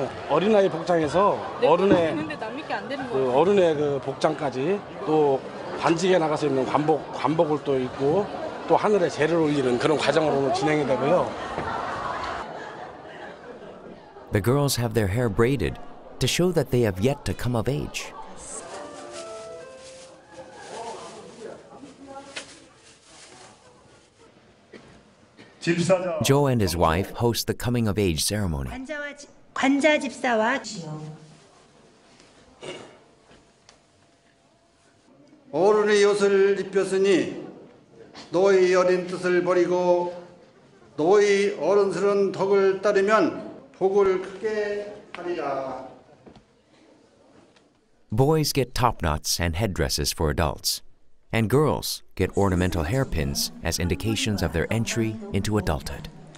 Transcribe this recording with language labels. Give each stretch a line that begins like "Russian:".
Korean: 어린아이 복장에서 어른의 그 복장까지 또 관직에 나가서 입는 관복을 또 입고 또 하늘에 제를 올리는 그런 과정으로 진행이 되고요.
English: The girls have their hair braided to show that they have yet to come of age. Joe and his wife host the coming of age ceremony.
Korean: 관자 집사와 어른의 옷을 입혔으니 너희 어린 뜻을 버리고 너희 어른스러운 덕을 따르면 복을 크게 하리라.
English: Boys get topknots and headdresses for adults, and girls get ornamental hairpins as indications of their entry into adulthood.